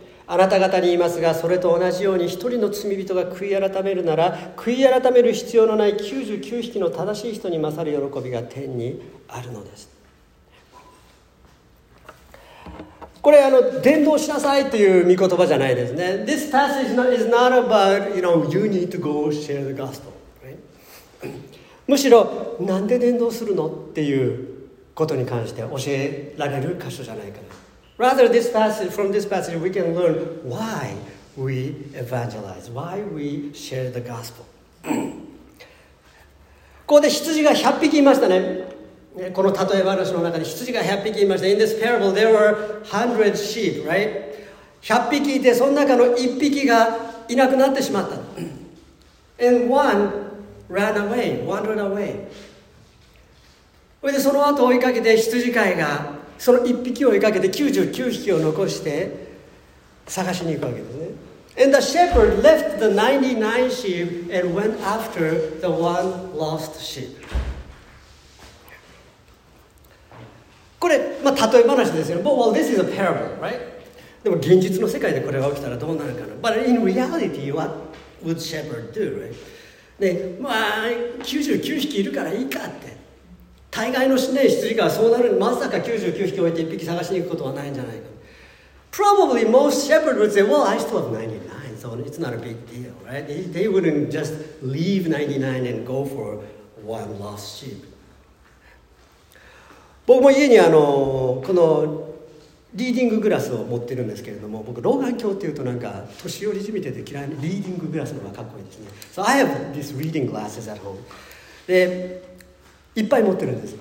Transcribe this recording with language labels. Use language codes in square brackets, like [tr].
[ja] あなた方に言いますが、それと同じように一人の罪人が悔い改めるなら、悔い改める必要のない99匹の正しい人に勝る喜びが天にあるのです。これ伝道しなさいという御言葉じゃないですね。 [en] This passage is not about, you know, you need to go share the gospel、right? [ja] むしろなんで伝道するのっていうことに関して教えられる箇所じゃないかな。 [en] Rather, this passage, from this passage we can learn why we evangelize, why we share the gospel. [ja] ここで羊が100匹いましたね。この例え話の中に羊が100匹いました。 [en] In this parable, there were 100 sheep, right? [ja] 100匹いて、その中の1匹がいなくなってしまった。 [en] And one ran away, wandered away. [ja] それでその後追いかけて、羊飼いがその1匹を追いかけて99匹を残して探しに行くわけですね。 [en] And the shepherd left the 99 sheep and went after the one lost sheep. [ja] これ、まあ、例え話ですよ。 [en] But, well, this is a parable, right? [ja] でも現実の世界でこれが起きたらどうなるかな。 [en] But in reality, what would shepherd do, right? [ja] で、まあ、99匹いるからいいかって。大概のしね、羊がそうなる、まさか99匹置いて1匹探しに行くことはないんじゃないか。 [en] Probably most shepherd would say, well, I still have 99, so it's not a big deal, right? They wouldn't just leave 99 and go for one lost sheep. [ja] 僕も家にこのリーディンググラスを持ってるんですけれども、僕老眼鏡っていうとなんか年寄りじみてて嫌いな、リーディンググラスの方がかっこいいですね。 [en] So I have these reading glasses at home. [ja] で、いっぱい持ってるんです。